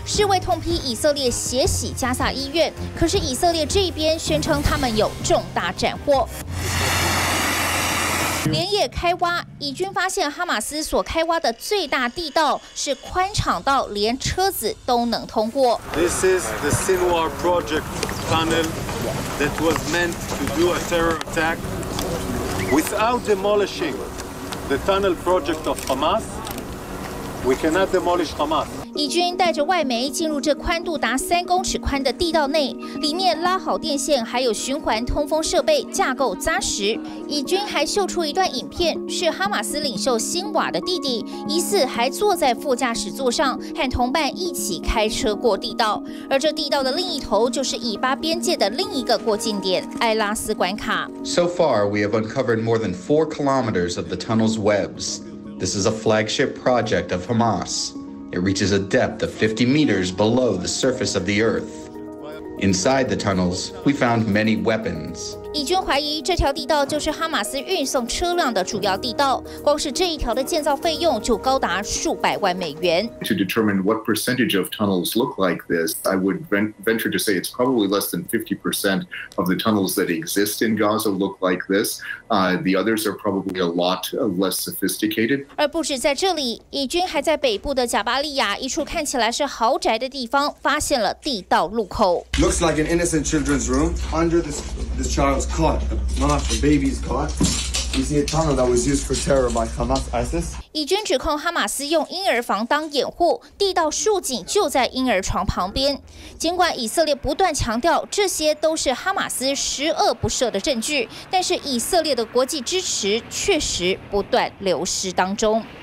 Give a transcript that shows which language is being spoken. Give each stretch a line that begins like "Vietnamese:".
Chinese: 世卫痛批以色列血洗加萨医院，可是以色列这边宣称他们有重大斩获。连夜开挖，以军发现哈马斯所开挖的最大地道是宽敞到连车子都能通过。
English: This is the Sinwar project tunnel that was meant to do a terror attack. Without demolishing the tunnel project of Hamas, we cannot demolish Hamas.
Chinese: 以军带着外媒进入这宽度达3公尺宽的地道内，里面拉好电线，还有循环通风设备，架构扎实。以军还秀出一段影片，是哈马斯领袖辛瓦的弟弟，疑似还坐在副驾驶座上，和同伴一起开车过地道。而这地道的另一头，就是以巴边界的另一个过境点——埃拉斯关卡。
English: So far, we have uncovered more than 4 kilometers of the tunnel's webs. This is a flagship project of Hamas. It reaches a depth of 50 meters below the surface of the earth. Inside the tunnels, we found many weapons.
Chinese: 以军怀疑这条地道就是哈马斯运送车辆的主要地道，光是这一条的建造费用就高达数百万美元。
English: To determine what percentage of tunnels look like this, I would venture to say it's probably less than 50% of the tunnels that exist in Gaza look like this. The others are probably a lot less sophisticated.
Chinese: 而不止在这里，以军还在北部的贾巴利亚一处看起来是豪宅的地方发现了地道路口。
English: Looks like an innocent children's room under this child. Was caught. Not the baby's caught. You see a tunnel that was used for terror by Hamas ISIS.
Chinese: 以军指控哈马斯用婴儿房当掩护，地道竖井就在婴儿床旁边。尽管以色列不断强调这些都是哈马斯十恶不赦的证据，但是以色列的国际支持确实不断流失当中。